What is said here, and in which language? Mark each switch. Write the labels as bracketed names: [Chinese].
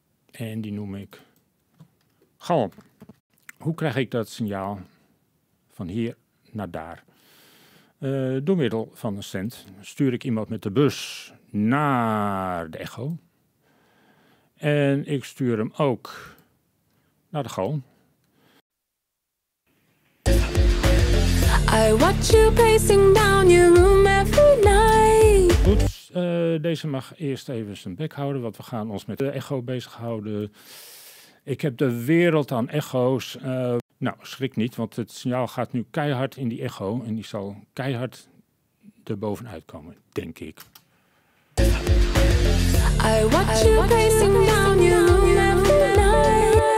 [Dutch] En die noem ik Galm. Hoe krijg ik dat signaal van hier naar daar? Door middel van een send stuur ik iemand met de bus naar de Echo. En ik stuur hem ook naar de Galm. [English] I watch you pacing down your room every night. [Dutch] Goed, deze mag eerst even zijn bek houden, want we gaan ons met de Echo bezighouden. Ik heb de wereld aan Echo's. Nou, schrik niet, want het signaal gaat nu keihard in die Echo en die zal keihard erbovenuit komen, denk ik. [English] I watch you pacing down your room every night.